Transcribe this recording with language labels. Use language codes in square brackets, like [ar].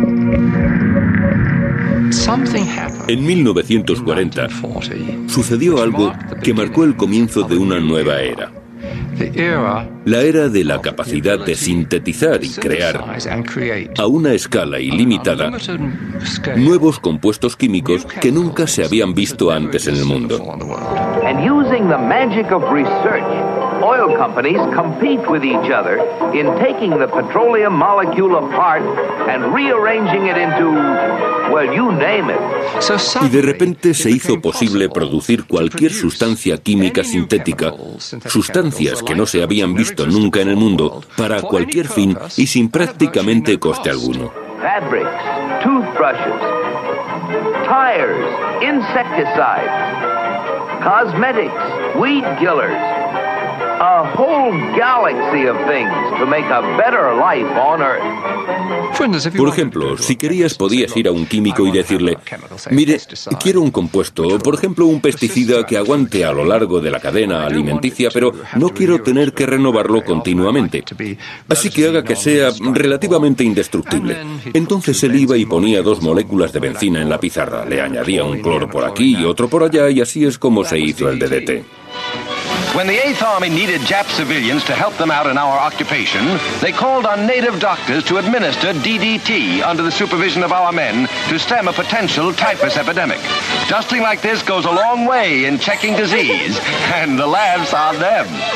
[es] En 1940 sucedió algo que marcó el comienzo de una nueva era. La era de la capacidad de sintetizar y crear, a una escala ilimitada, nuevos compuestos químicos que nunca se habían visto antes en el mundo. [en] And using the magic of research, oil companies compete with each other in taking the petroleum molecule apart and rearranging it into, well, you name it. [es] Y de repente se hizo posible producir cualquier sustancia química sintética, sustancias que no se habían visto nunca en el mundo, para cualquier fin y sin prácticamente coste alguno. [en] Fabrics, toothbrushes, tires, insecticides, cosmetics, weed killers. A whole galaxy of things to make a better life on Earth. [es] Por ejemplo, si querías, podías ir a un químico y decirle, mire, quiero un compuesto, por ejemplo, un pesticida que aguante a lo largo de la cadena alimenticia, pero no quiero tener que renovarlo continuamente. Así que haga que sea relativamente indestructible. Entonces él iba y ponía dos moléculas de benzina en la pizarra, le añadía un cloro por aquí y otro por allá, y así es como se hizo el DDT. [en] When the 8th Army needed Jap civilians to help them out in our occupation, they called on native doctors to administer DDT under the supervision of our men to stem a potential typhus epidemic. Dusting like this goes a long way in checking disease, and the labs are them.